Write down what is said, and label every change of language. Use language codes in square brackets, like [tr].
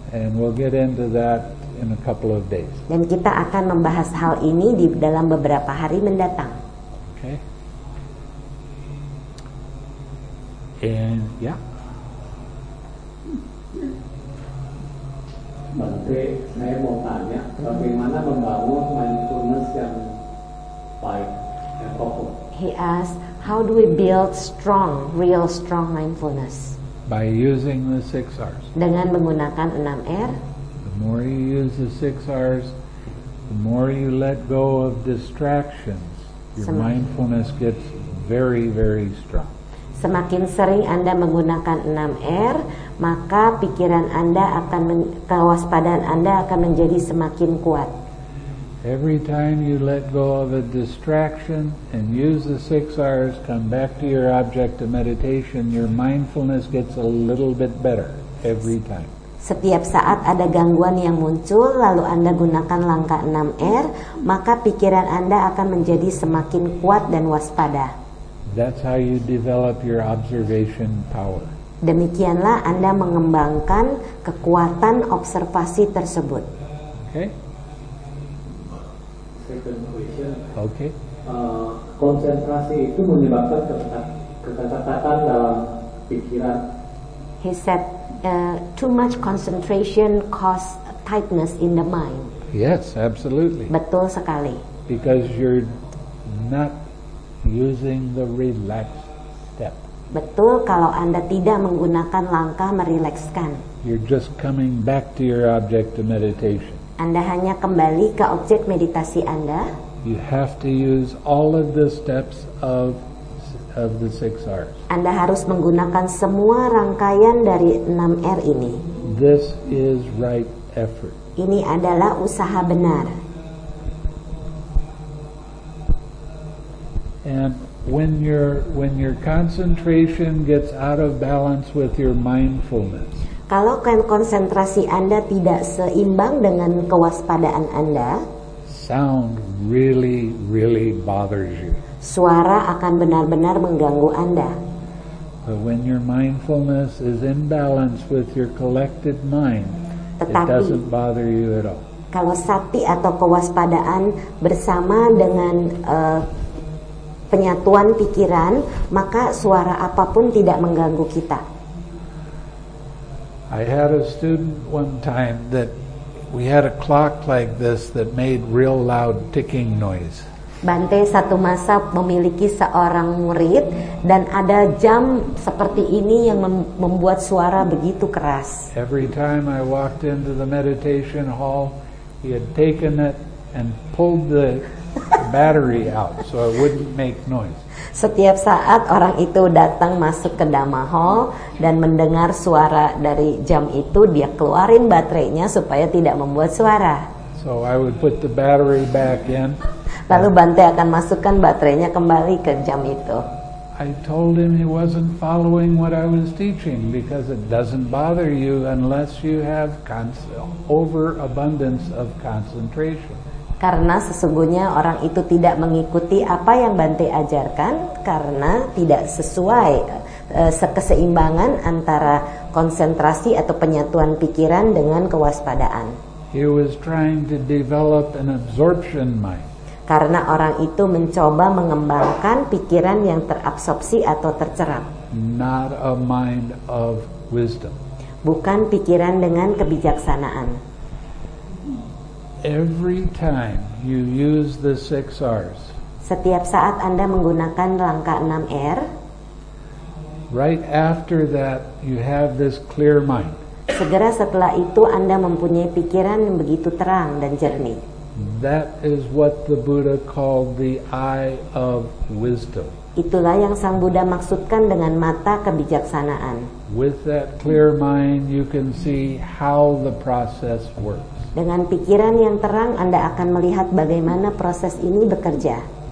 [en] And we'll get into that in a couple of days. [id] Dan kita akan membahas hal ini di dalam beberapa hari mendatang. [en] Okay. And yeah. [id] Bante, saya mau tanya bagaimana membangun mindfulness yang baik dan proper. [en] He asked, how do we build strong, real strong mindfulness? By using the 6 R's. [id] Dengan menggunakan 6 R. [en] The more you use the 6 R's, the more you let go of distractions, your mindfulness gets very, very strong. [id] Semakin sering Anda menggunakan 6 R, maka pikiran Anda akan, kewaspadaan Anda akan menjadi semakin kuat. [en] Every time you let go of a distraction and use the 6 R's, come back to your object of meditation, your mindfulness gets a little bit better every time. [id] Setiap saat ada gangguan yang muncul, lalu Anda gunakan langkah 6 R, maka pikiran Anda akan menjadi semakin kuat dan waspada. [en] That's how you develop your observation power. [id] Demikianlah Anda mengembangkan kekuatan observasi tersebut. [en] Okay. Okay. [id] Konsentrasi itu menyebabkan keterkatan dalam pikiran. [en] He said, too much concentration cause tightness in the mind. Yes, absolutely. [id] Betul sekali. [en] Because you're not using the relaxed step. [id] Betul, kalau Anda tidak menggunakan langkah merilekskan. [en] You're just coming back to your object of meditation. [id] Anda hanya kembali ke objek meditasi Anda. [en] You have to use all of the steps of the 6 R's. [id] Anda harus menggunakan semua rangkaian dari 6 R ini. [en] This is right effort. [id] Ini adalah usaha benar. [en] And when your concentration gets out of balance with your mindfulness. [id] Kalau konsentrasi Anda tidak seimbang dengan kewaspadaan Anda, [en] sound really, really bothers you. [id] Suara akan benar-benar mengganggu Anda. [en] But when your mindfulness is in balance with your collected mind, tetapi, it doesn't bother you at all. [id] Kalau sati atau kewaspadaan bersama dengan penyatuan pikiran, maka suara apapun tidak mengganggu kita. [en] I had a student one time that we had a clock like this that made real loud ticking noise. [id] Bante satu masa memiliki seorang murid dan ada jam seperti ini yang membuat suara begitu keras. [en] Every time I walked into the meditation hall, he had taken it and pulled the battery out so it wouldn't make noise. [id] Setiap saat orang itu datang masuk ke Dhamma Hall dan mendengar suara dari jam itu, dia keluarin baterainya supaya tidak membuat suara. [en] So I would put the battery back in. [id] Lalu Bante akan masukkan baterainya kembali ke jam itu. [en] I told him he wasn't following what I was teaching because it doesn't bother you unless you have overabundance of concentration. [id] Karena sesungguhnya orang itu tidak mengikuti apa yang Bante ajarkan karena tidak sesuai keseimbangan antara konsentrasi atau penyatuan pikiran dengan kewaspadaan. [en] He was trying to develop an absorption mind. [id] Karena orang itu mencoba mengembangkan pikiran yang terabsorpsi atau tercerap. [en] Not a mind of wisdom. [id] Bukan pikiran dengan kebijaksanaan. [en] Every time you use the six R's. [id] Setiap saat Anda menggunakan langkah 6 R. [en] Right after that you have this clear mind. [id] Segera setelah itu Anda mempunyai pikiran yang begitu terang dan jernih. [en] That is what the Buddha called the eye of wisdom. [id] Itulah yang Sang Buddha maksudkan dengan mata kebijaksanaan. [en] With that clear mind you can see how the process works. [id] Dengan pikiran yang terang, Anda akan melihat bagaimana proses ini bekerja.